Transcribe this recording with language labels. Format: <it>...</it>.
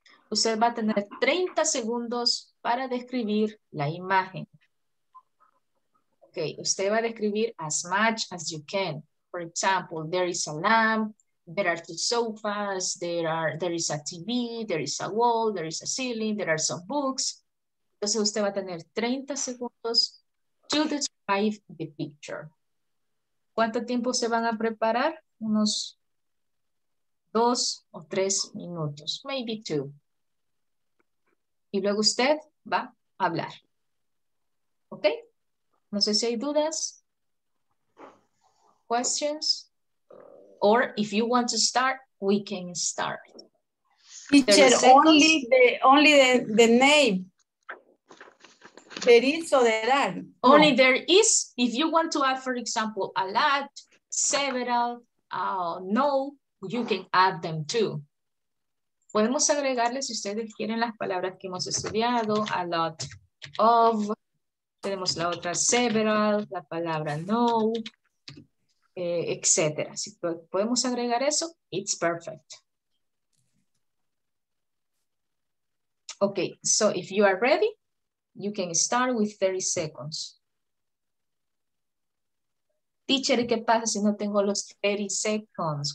<es>Usted va a tener 30 segundos para describir la imagen. Okay, usted va a describir</es> <en>as much as you can. For example, there is a lamp, there are two sofas, there is a TV, there is a wall, there is a ceiling, there are some books.</en> <es>Entonces usted va a tener 30 segundos</es> <en>to describe the picture.</en> <es>¿Cuánto tiempo se van a preparar? Unos 2 o 3 minutos, maybe 2. Y luego usted va a hablar. ¿Ok? No sé si hay dudas,</es> <en>questions, or if you want to start, we can start. Teacher, only the name. There is or there are. Only no. There is. If you want to add, for example, a lot, several, no, you can add them too.</en> <es>Podemos agregarle, si ustedes quieren, las palabras que hemos estudiado, a lot of. Tenemos la otra, several, la palabra no, etc. Si podemos agregar eso,</es> <en>it's perfect. Okay, so if you are ready, you can start with 30 seconds.</en> <es>Teacher, ¿qué pasa si no tengo los 30 seconds?</es>